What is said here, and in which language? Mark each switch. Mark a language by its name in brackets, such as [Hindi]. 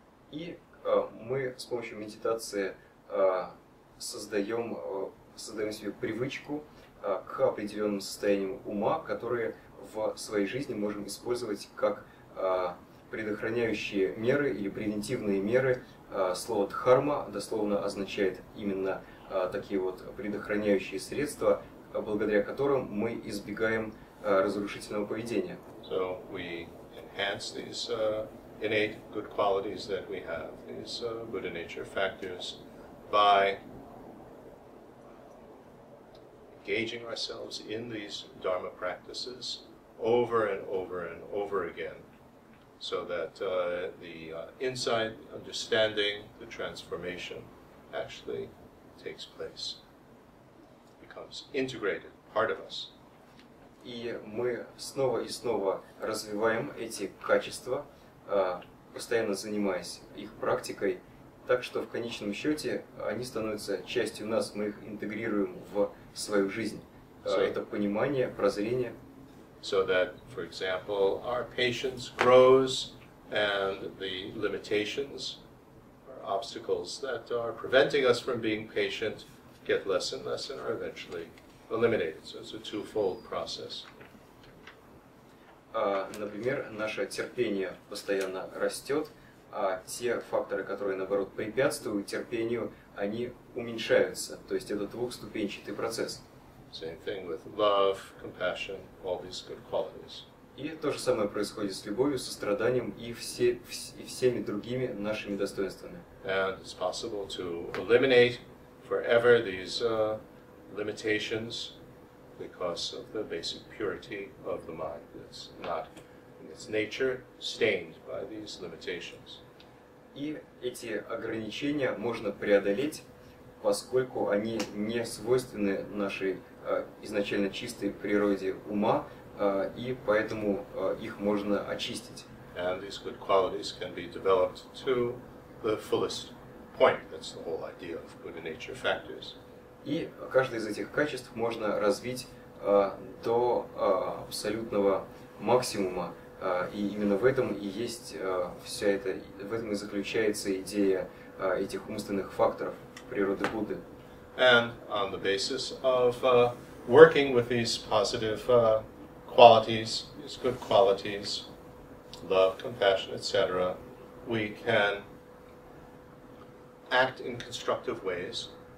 [Russian] И мы с помощью медитации создаем себе привычку к определенным состояниям ума, которые в своей жизни можем использовать как предохраняющие меры или превентивные меры. Слово «дхарма» дословно означает именно такие вот предохраняющие средства, благодаря которым мы избегаем разрушительного поведения. [English] So we enhance these innate good qualities that we have, these Buddha nature factors, by engaging ourselves in these Dharma practices over and over and over again, so that insight, understanding, the transformation actually takes place, becomes integrated, part of us. [Russian] И мы снова и снова развиваем эти качества, постоянно занимаясь их практикой, так что в конечном счете они становятся частью нас, мы их интегрируем в свою жизнь. So, это понимание, прозрение. [English] So that, for example, our patience grows and the limitations or obstacles that are preventing us from being patient get less and less and are eventually eliminated. So it's a twofold process. [Russian] Например, наше терпение постоянно растет, а те факторы, которые, наоборот, препятствуют терпению, они уменьшаются. То есть это двухступенчатый процесс. [English] Same thing with love, compassion, all these good qualities. [Russian] И то же самое происходит с любовью, состраданием и всеми другими нашими достоинствами. [English] And it's possible to eliminate forever these limitations because of the basic purity of the mind. It's not in its nature stained by these limitations. [Russian] И эти ограничения можно преодолеть, поскольку они не свойственны нашей изначально чистой природе ума, и поэтому их можно очистить. [English] And these good qualities can be developed to the fullest point. That's the whole idea of Buddha nature factors. [Russian] И каждое из этих качеств можно развить до абсолютного максимума. И именно в этом и есть вся эта, в этом и заключается идея этих умственных факторов природы Будды. [English] And on the basis of working with these positive qualities, these good qualities, love, compassion, etc., we can act in constructive ways.